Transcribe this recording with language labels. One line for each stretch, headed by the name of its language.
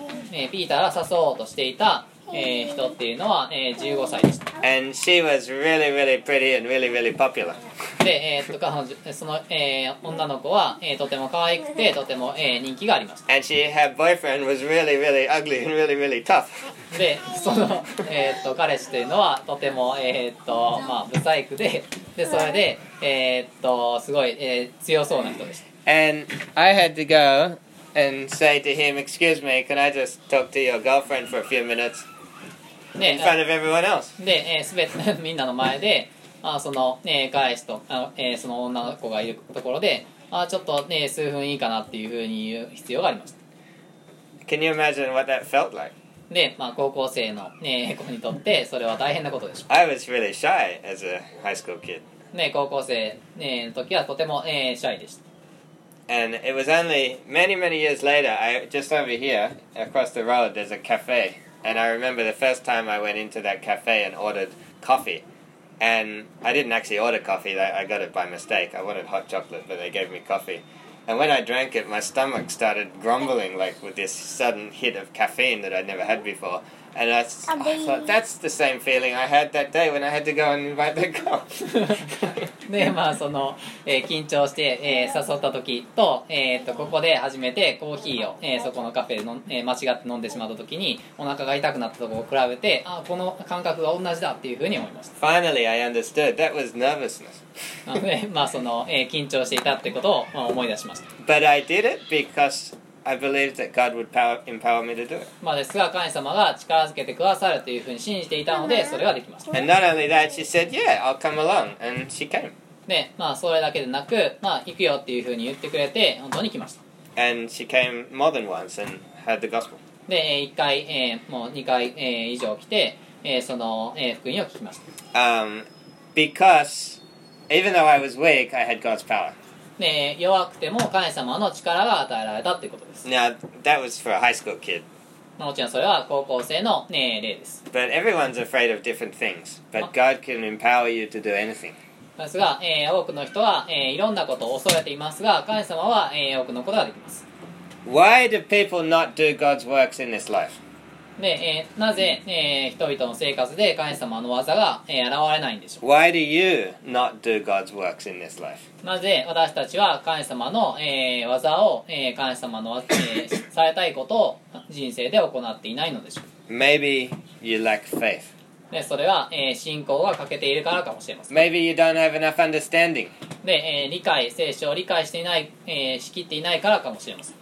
Japanese: で、ピーターが誘おうとしていた、人っていうのは、15歳でした。
English: And she was really, really pretty and really, really popular.
Japanese: で、その、女の子は、とても可愛くて、とても、人気がありました。
English: And she, her boyfriend was really, really ugly and really, really tough.
Japanese: で、その、彼氏というのは、とても、まあ、不細工で、で、それで、すごい、強そうな人でした。
English: And I had to go... And say to him, excuse me, can I just talk to your girlfriend for a few minutes in front of everyone else?
Japanese: で、すべてみんなの前で、あその、ね、ガイスとあの、その女の子がいるところで、あちょっと、ね、数分いいかなっていうふうに言う必要がありました。
English: Can you imagine what that felt like?
Japanese: で、まあ、高校生の、ね、子にとってそれは大変なことでし
English: ょう。I was really shy as a high school kid.
Japanese: ね、高校生、ね、の時はとても、シャイでした。
English: And it was only many, many years later, I, just over here, across the road, there's a cafe. And I remember the first time I went into that cafe and ordered coffee. And I didn't actually order coffee, I got it by mistake. I wanted hot chocolate, but they gave me coffee. And when I drank it, my stomach started grumbling, like with this sudden hit of caffeine that I'd never had before. And I thought, that's the same feeling I had that day when I had to go and invite the girl.
Japanese: で、まあその、緊張して、誘った時と、ここで初めてコーヒーを、そこのカフェで、間違って飲んでしまった時にお腹が痛くなったところを比べて、あ、この感覚が同じだっていうふうに思いました。
English: Finally, I understood. That was nervousness.
Japanese: で、まあその、緊張していたってことを、まあ、思い出しました。
English: But I did it becauseI believed that God would empower me to do it.
Japanese: まあですが、神様が力づけてくださるというふうに信じていたので、それができました。
English: And not only that, she said, yeah, I'll come along. And she came.
Japanese: で、まあそれだけでなく、まあ行くよっていうふうに言ってくれて、本当に来ました。
English: And she came more than once and heard the gospel.
Japanese: で、1回、もう2回、以上来て、その、福音を聞きました。
English: Because even though I was weak, I had God's power.
Japanese: ね、弱くても神様の力が与えられたということです。
English: Now, that was for a high school kid.
Japanese: もちろんそれは高校生の、ね、例です。
English: But everyone's afraid of different things, but God can empower you to do anything.
Japanese: ですが、多くの人は、いろんなことを恐れていますが、神様は、多くのことができます。
English: Why do people not do God's works in this life?
Japanese: で、なぜ、人々の生活で神様の技が、現れないんでしょう。
English: Why do you not do God's works in this life?
Japanese: なぜ私たちは神様の、技を、神様の、されたいことを人生で行っていないのでしょう。
English: Maybe you lack faith.
Japanese: で、それは、信仰が欠けているからかもしれません。
English: Maybe you don't have enough understanding.
Japanese: で、理解、聖書を理解していない、しきっていないからかもしれません。